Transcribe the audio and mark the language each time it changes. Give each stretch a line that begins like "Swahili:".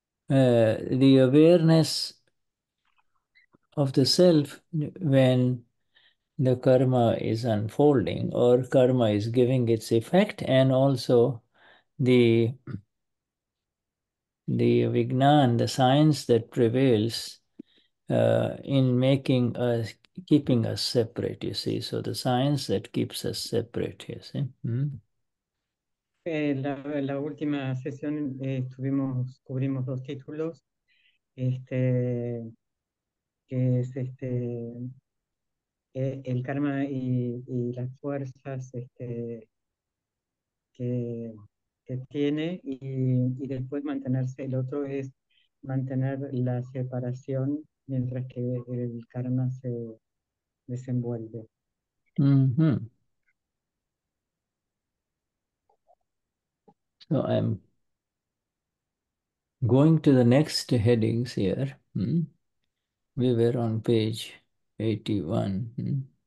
English: The awareness of the self when the karma is unfolding or karma is giving its effect, and also the vignan, the science that prevails in making us, keeping us separate, you see. So the science that keeps us separate, you see.
Spanish: La última sesión cubrimos dos títulos, que es el karma y las fuerzas que tiene, y después mantenerse. El otro es mantener la separación mientras que el karma se desenvuelve.
English: So I'm going to the next headings here. We were on page 81.